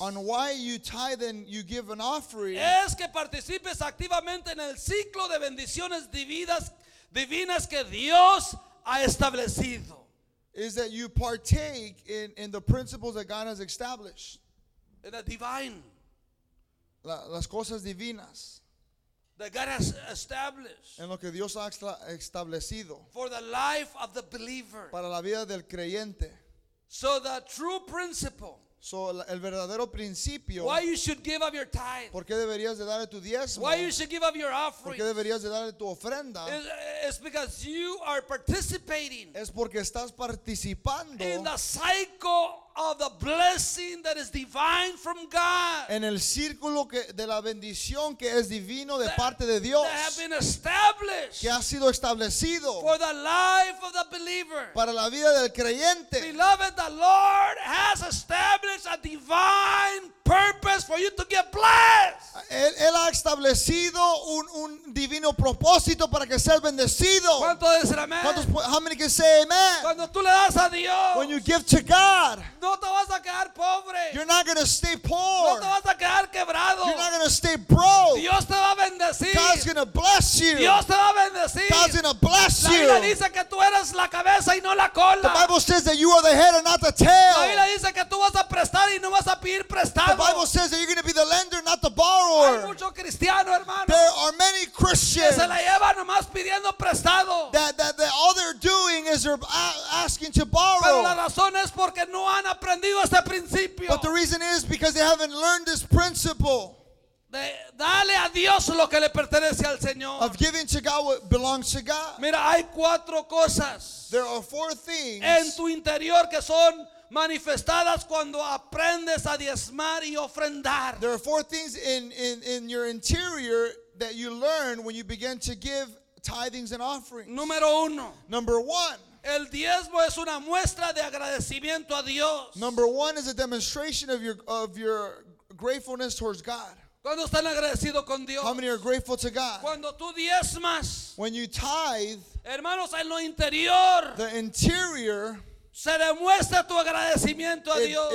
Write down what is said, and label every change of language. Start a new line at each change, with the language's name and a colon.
English: on why you tithe and you give an offering,
Spanish: es que participes activamente en el ciclo de bendiciones divinas que Dios ha establecido.
English: Is that you partake in the principles that God has established. In the divine.
Spanish: Las cosas divinas.
English: That God has established.
Spanish: En lo que Dios ha establecido.
English: For the life of the believer.
Spanish: Para la vida del creyente.
English: So the true principle.
Spanish: So el verdadero principio.
English: Why you should give up your tithe.
Spanish: Por qué deberías de dar tu diezmo.
English: Why you should give up your offering.
Spanish: Por qué deberías de dar tu ofrenda.
English: It's because you are participating.
Spanish: Es porque estás participando.
English: In the cycle of the blessing that is divine from God.
Spanish: En el círculo que de la bendición que es divino de parte de Dios.
English: That have been established.
Spanish: Que ha sido establecido.
English: For the life of the believer.
Spanish: Para la vida del creyente.
English: Beloved, the Lord has established a divine purpose for you to get blessed.
Spanish: Él ha establecido un divino propósito para que seas bendecido. ¿Cuántos dicen amén?
English: How many can say amen?
Spanish: Cuando tú le das a Dios.
English: When you give to God.
Spanish: No te vas a quedar pobre.
English: You're not going to stay poor.
Spanish: No te vas a quedar quebrado.
English: You're not going to stay broke.
Spanish: Dios te va a bendecir.
English: God's going to bless you.
Spanish: Dios te va a bendecir.
English: God's going to bless you.
Spanish: La Biblia dice que tú eres la cabeza y no la cola.
English: The Bible says that you are the head and not the tail.
Spanish: La Biblia dice que tú vas a prestar y no vas a pedir prestado.
English: The Bible says that you're going to be the lender, not the borrower.
Spanish: Hay mucho cristiano, hermano.
English: There are many Christians
Spanish: que se la llevan nomás pidiendo prestado.
English: That all they're doing is they're asking to borrow.
Spanish: Pero la razón es porque no han aprendido este principio.
English: But the reason is because they haven't learned this principle.
Spanish: De dale a Dios lo que le pertenece al Señor.
English: Of giving to God what belongs to God.
Spanish: Mira, hay cuatro cosas.
English: There are four things.
Spanish: En tu interior que son manifestadas cuando aprendes a diezmar y ofrendar.
English: There are four things in your interior that you learn when you begin to give tithings and offerings.
Spanish: Número uno.
English: Number one.
Spanish: El diezmo es una muestra de agradecimiento a Dios.
English: Number one is a demonstration of your gratefulness towards God.
Spanish: ¿Cuándo están agradecidos con Dios?
English: How many are grateful to God?
Spanish: Cuando tú diezmas.
English: When you tithe.
Spanish: Hermanos, en lo interior.
English: The interior.
Spanish: Se demuestra tu agradecimiento a Dios.